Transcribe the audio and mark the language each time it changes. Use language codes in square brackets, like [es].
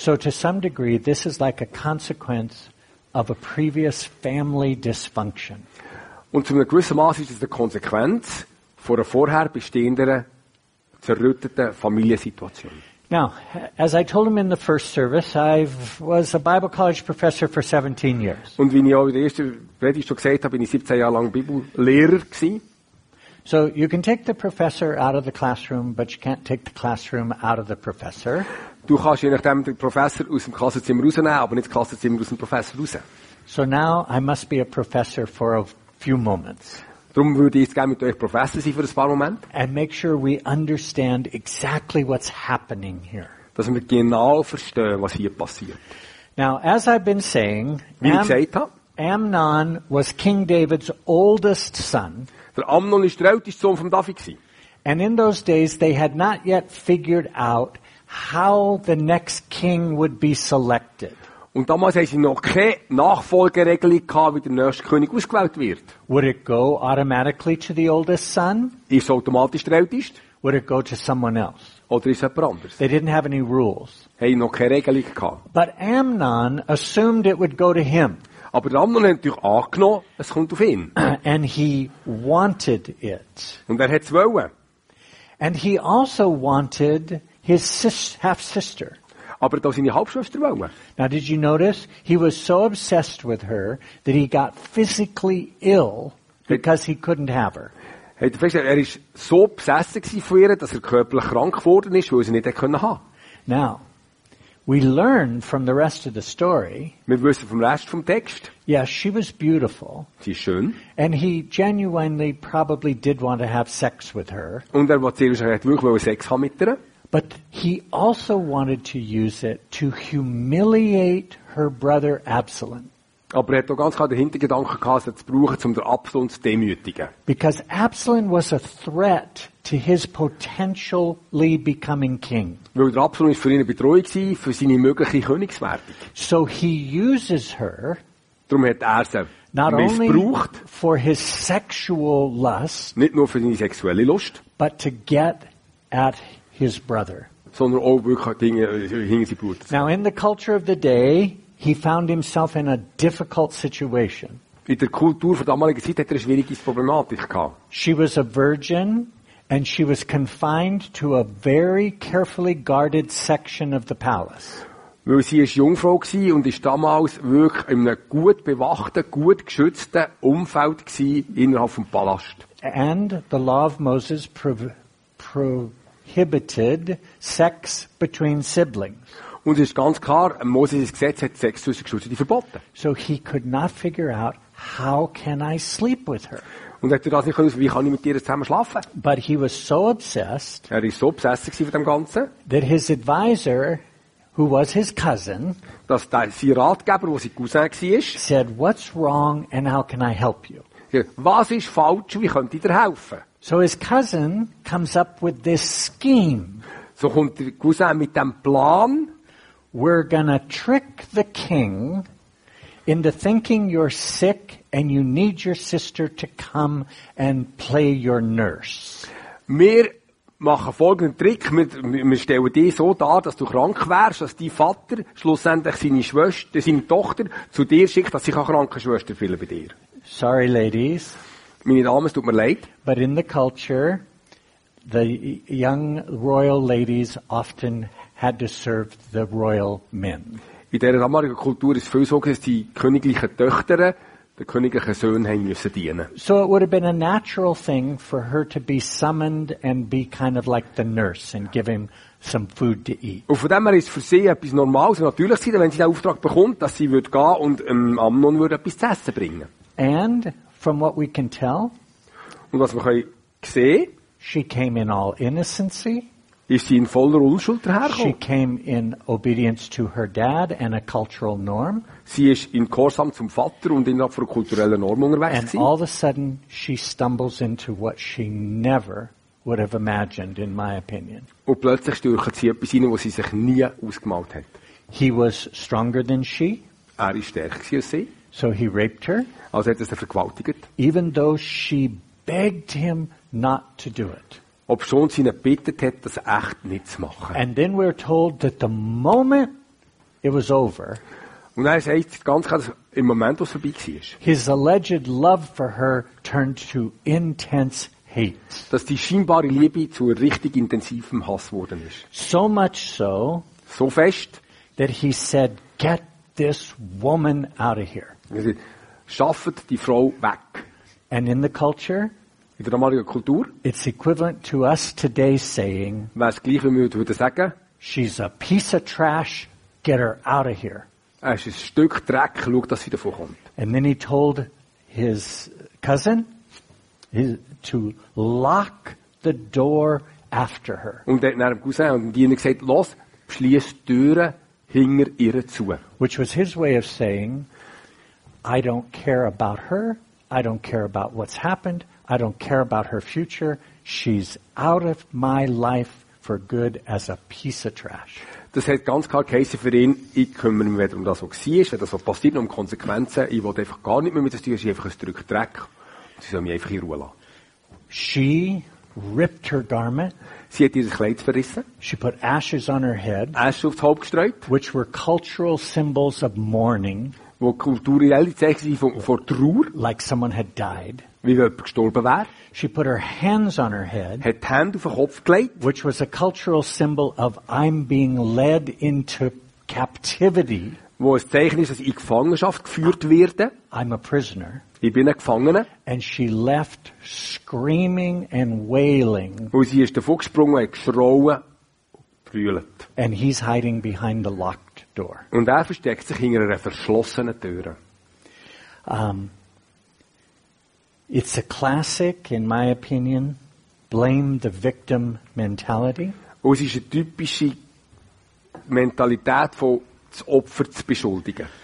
[en] So to some degree, this is like a consequence of a previous family dysfunction. [de] Und zu einem gewissen Maß ist es eine Konsequenz von einer vorher bestehenden, zerrütteten Familiensituation. [en] Now, as I told him in the first service, I was a Bible college professor for 17 years. [de] Und wie ich auch in der ersten Predigt schon gesagt habe, bin ich 17 Jahre lang Bibellehrer gewesen. [en] So you can take the professor out of the classroom, but you can't take the classroom out of the professor. [de] Du kannst je nachdem den Professor aus dem Klassenzimmer rausnehmen, aber nicht das Klassenzimmer aus dem Professor raus. [en] So now I must be a professor for a few moments. [de] Darum würde ich jetzt gerne mit euch Professor sein für ein paar Momente. [en] And make sure we understand exactly what's happening here. [de] Dass wir genau verstehen, was hier passiert. [en] Now, as I've been saying, [de] wie ich gesagt habe, [en] Amnon was King David's oldest son. [de] Der Amnon ist der älteste Sohn von David. [en] And in those days they had not yet figured out how the next king would be selected. [de] Und damals haben sie noch keine Nachfolgeregelung gehabt, wie der nächste König ausgewählt wird. [en] Would it go automatically to the oldest son? [de] Ist automatisch der älteste? [en] Would it go to someone else? [de] Oder ist jemand anders? [en] They didn't have any rules. [de] Haben noch keine Regelung gehabt. [en] But Amnon assumed it would go to him. [de] Aber der Amnon hat natürlich angenommen, es kommt auf ihn. [en] And he wanted it. [de] Und er hat es wollen. [en] And he also wanted his half-sister. [de] Aber da seine Halbschwester wollen. [en] Now did you notice? He was so obsessed with her that he got physically ill because he couldn't have her. [de] Er ist so besessen von ihr, dass er körperlich krank geworden ist, weil er sie nicht haben konnte. [en] Now, we learn from the rest of the story. [de] Wir wissen vom Rest vom Text. [en] Yes, she was beautiful. [de] Sie ist schön. [en] And he genuinely probably did want to have sex with her. [de] Und er wollte wirklich Sex haben mit ihr. [en] But he also wanted to use it to humiliate her brother Absalom. [de] Aber er hat auch ganz klar den Hintergedanken gehabt, es zu brauchen, um den Absalom zu demütigen. [en] Because Absalom was a threat to his potentially becoming king. [de] Weil der Absalom ist für ihn eine Bedrohung gewesen, für seine mögliche Königswerdung. [en] So he uses her. [de] Darum hat er sie [en] not [de] missbraucht. [en] Only for his sexual lust. [de] Nicht nur für seine sexuelle Lust. [en] But to get at his brother. [de] Sondern auch wirklich Dinge hingen sie Blut. [en] Now in the culture of the day, he found himself in a difficult situation. [de] In der Kultur von damaliger Zeit hatte er schwierige Problematik gehabt. [en] She was a virgin and she was confined to a very carefully guarded section of the palace. [de] Weil sie ist Jungfrau gsi und ist damals wirklich in einem gut bewachten, gut geschützten Umfeld gsi innerhalb vom Palast. [en] And the law of Moses prohibited sex between siblings. [de] Und es ist ganz klar, Moses' Gesetz hat Sex zwischen Geschwistern verboten. [en] So he could not figure out, how can I sleep with her? [de] Und er hat das nicht gewusst, wie kann ich mit ihr zusammen schlafen? [en] But he was so obsessed, [de] er ist so besessen gewesen von dem Ganzen, [en] that his advisor, who was his cousin, [de] dass sein Ratgeber, wo sein Cousin war, [en] said, what's wrong and how can I help you? [de] Was ist falsch, wie könnt ihr dir helfen? [en] So his cousin comes up with this scheme. [de] So kommt der Cousin mit dem Plan. [en] We're gonna trick the king into thinking you're sick and you need your sister to come and play your nurse. [de] Wir machen folgenden Trick. Wir stellen dich so dar, dass du krank wärst, dass dein Vater schlussendlich seine Tochter zu dir schickt, dass sie eine Krankenschwester fühlen bei dir. [en] Sorry, ladies. [de] Meine Damen, es tut mir leid. [en] But in the culture, the young royal ladies often had to serve the royal men. [de] In der damaligen Kultur ist viel so, dass die königlichen Töchter den königlichen Söhnen müssen dienen. [en] So it would have been a natural thing for her to be summoned and be kind of like the nurse and give him some food to eat. [de] Und von dem her ist es für sie etwas Normales und natürlich sein, wenn sie den Auftrag bekommt, dass sie würde gehen und Amnon würde etwas zu essen bringen. [en] And from what we can tell, [de] und was wir können sehen, [en] she came in all innocency. [de] Ist sie in voller Unschuld hergekommen? [en] She came in obedience to her dad and a cultural norm. [de] Sie ist in Gehorsam zum Vater und innerhalb von kultureller Norm unterwegs. [en] And all of a sudden she stumbles into what she never would have imagined, in my opinion. [de] Und plötzlich stürcht sie etwas hinein, was sie sich nie ausgemalt hat. [en] He was stronger than she. [de] Er ist stärker als sie. [en] So he raped her. [de] Also hat er sie vergewaltigt. [en] Even though she begged him not to do it. [de] Ob schon sie ihn gebeten hat, das echt nicht zu machen. [en] And then we're told that the moment it was over, [de] und er sagt ganz klar, dass im Moment, wo es vorbei war, [en] his alleged love for her turned to intense hate. [de] Dass die scheinbare Liebe zu richtig intensivem Hass geworden ist. [en] So much so, [de] so fest, [en] that he said, get this woman out of here. [de] Er sagt, schafft die Frau weg. [en] And in the culture, [de] in der damaligen Kultur, [en] it's equivalent to us today saying, [de] wäre es gleich, wie wir heute sagen, [en] she's a piece of trash, get her out of here. [de] Er ist ein Stück Dreck, schau, dass sie davon kommt. [en] And then he told his cousin to lock the door after her. [de] Und dann hat er dem Cousin und dem Diener gesagt, los, schließ die Türen hinter ihr zu. [en] Which was his way of saying, I don't care about her, I don't care about what's happened, I don't care about her future. She's out of my life for good as a piece of trash. [de] Das hat ganz klar geheißen für ihn, ich kümmere mich weder um das, was sie ist, was passiert, um Konsequenzen. Ich will einfach gar nicht mehr mit der Tür, sie ist einfach ein Stück Dreck. Sie soll mich einfach in Ruhe lassen. [en] She ripped her garment. [de] Sie hat ihr Kleid verrissen. [en] She put ashes on her head. [de] Asche aufs Haupt gestreut. [en] Which were cultural symbols of mourning. [de] Wo kulturelle Zeichen sind vor Trauer. [en] Like someone had died. [de] Wie wenn jemand gestorben wäre. [en] She put her hands on her head, [de] hat die Hände auf den Kopf gelegt. [en] Which was a cultural symbol of I'm being led into captivity. [de] Wo ein Zeichen ist, dass ich in Gefangenschaft geführt werde. [en] I'm a prisoner. [de] Ich bin ein Gefangener. [en] And she left screaming and wailing. [de] Und sie ist davon gesprungen und geschrien und gebrüllt. [en] And he's hiding behind the locked door. [de] Und er versteckt sich hinter einer verschlossenen Tür. [en] It's a classic, in my opinion, blame the victim mentality. [de] Und es ist eine typische Mentalität, von das Opfer zu beschuldigen.